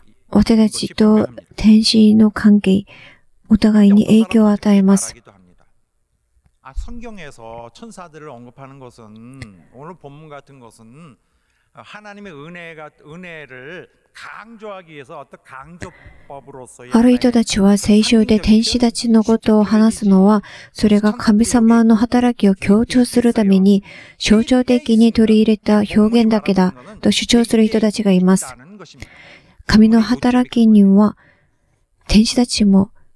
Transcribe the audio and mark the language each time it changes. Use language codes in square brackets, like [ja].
[ja] 私たちと天使の関係、お互いに影響を与えます。 [ko] 아, 성경에서 천사들을 언급하는 것은 오늘 본문 같은 것은 하나님의 은혜가 은혜를 강조하기 위해서 어떤 강조법으로서의 [ja] ある 人たちは 聖書で 天使たちのことを 話すのは それが 神様の働きを 強調するために 象徴的に 取り入れた 表現だけだ と 主張する 人たちがいます 神の働きには 天使たちも